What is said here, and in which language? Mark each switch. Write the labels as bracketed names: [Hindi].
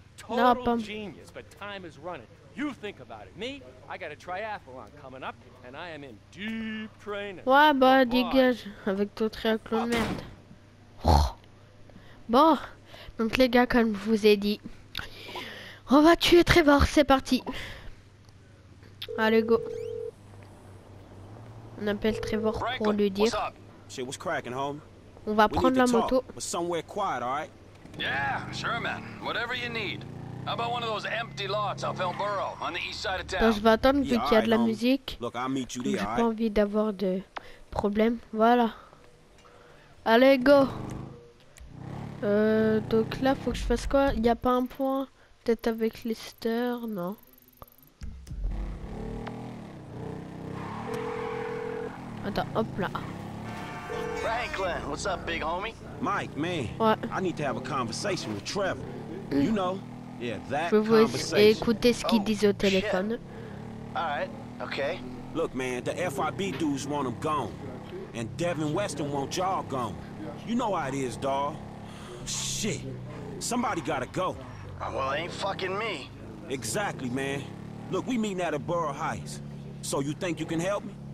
[English] Total non, genius, but time is running. You think about it. Me, I got a triathlon coming up, and I am in deep training. [French] Ouais, bah, dégage avec ton triathlon, merde. Oh. Bon, donc les gars, comme je vous ai dit, on va tuer Trevor, c'est parti. Allez, go. On appelle Trevor pour lui dire. [English] Shit, what's cracking, homie? [French] On va prendre la moto. [English] Somewhere quiet, all right? Yeah, sure, man. Whatever you need. How about one of those empty lots off Elmboro on the east side of town? [French] Donc, je vais attendre vu qu'il y a de la [English] homie. [French] Musique. [English] Look, I'll meet you there, [French] j'ai pas envie d'avoir de problème. Voilà. Allez, go. Donc là, faut que je fasse quoi? Il y a pas un point? Peut-être avec Lister? Non. Attends, hop là. [English] Franklin, what's up, big homie? Mike, man. What? I need to have a conversation with Trevor. You know? Yeah, that [French] je [English] conversation. [French] Je veux écouter ce qu'ils disent au téléphone. [English] All right. Okay. Look, man, the FIB dudes want him gone, and Devin Weston wants y'all gone. You know how it is, dawg. Shit. Somebody gotta go. Well, ain't fucking me. Exactly, man. Look, we meeting at a Borough Heights. So you think you can help me?